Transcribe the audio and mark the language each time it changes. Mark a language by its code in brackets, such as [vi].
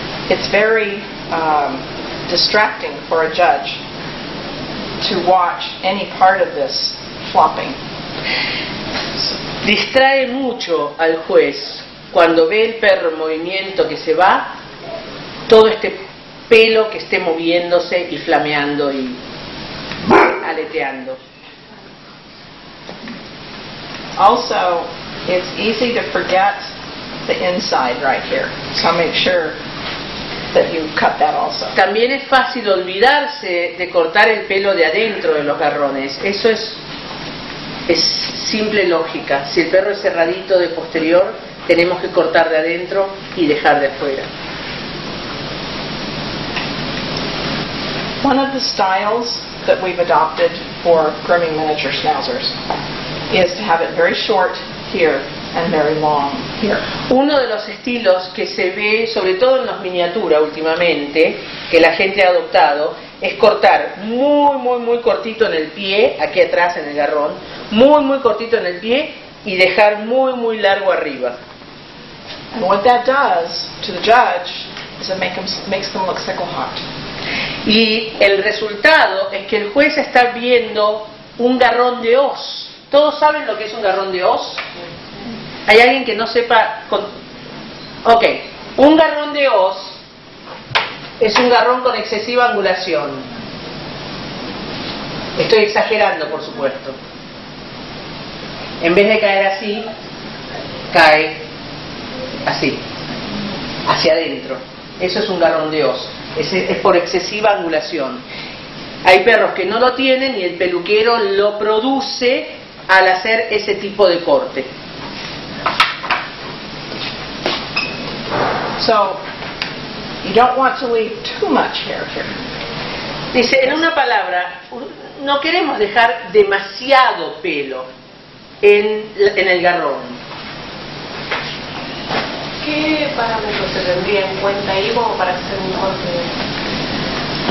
[en] It's very distracting for a judge to watch any part of this flopping. [es] Distrae mucho al juez cuando ve el perro en movimiento que se va, todo este pelo que esté moviéndose y flameando y aleteando. [en] Also, it's easy to forget the inside right here. So make sure that you cut that also. [es] También es fácil olvidarse de cortar el pelo de adentro de los garrones. Eso es simple lógica. Si el perro es cerradito de posterior, tenemos que cortar de adentro y dejar de afuera. [en] One of the styles that we've adopted for grooming miniature schnauzers is to have it very short here and very long here. [es] Uno de los estilos que se ve, sobre todo en las miniaturas últimamente, que la gente ha adoptado, es cortar muy, muy, muy cortito en el pie, aquí atrás en el garrón, muy, muy cortito en el pie y dejar muy, muy largo arriba. [en] And what that does to the judge is it makes them look sickle hot. [es] Y el resultado es que el juez está viendo un garrón de hoz. ¿Todos saben lo que es un garrón de hoz? ¿Hay alguien que no sepa? Ok, un garrón de hoz es un garrón con excesiva angulación. Estoy exagerando, por supuesto. En vez de caer así, cae así, hacia adentro. Eso es un garrón de hoz. Es por excesiva angulación. Hay perros que no lo tienen y el peluquero lo produce al hacer ese tipo de corte. [en] So, you don't want to leave too much hair here. [es] Dice, en una palabra, no queremos dejar demasiado pelo en el garrón. ¿Qué parámetros se tendría en cuenta ahí como para hacer un corte